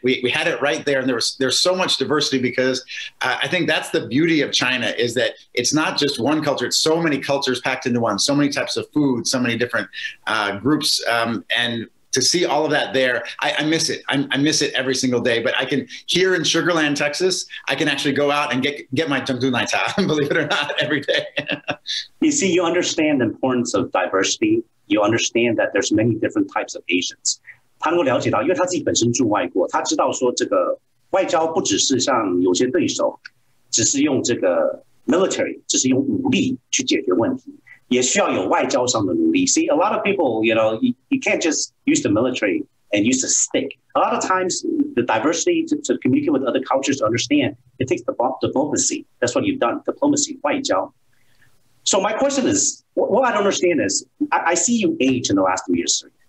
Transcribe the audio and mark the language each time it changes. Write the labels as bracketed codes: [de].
[en] We had it right there, and there's so much diversity because I think that's the beauty of China is that it's not just one culture; it's so many cultures packed into one, so many types of food, so many different groups, and to see all of that there, I miss it. I miss it every single day. But I can here in Sugar Land, Texas, I can actually go out and get my zhengzhu nai cha, believe it or not, every day. You see, you understand the importance of diversity. You understand that there's many different types of Asians. [zh] 他能够了解到，因为他自己本身住外国，他知道说这个外交不只是像有些对手，只是用这个 military，只是用武力去解决问题。也需要有外交上的努力。 [en] See, a lot of people, you know, you can't just use the military and use a stick. A lot of times, the diversity to communicate with other cultures to understand, it takes the diplomacy. That's what you've done, diplomacy, 外交。So my question is, what I don't understand is, I see you age in the last 3 years.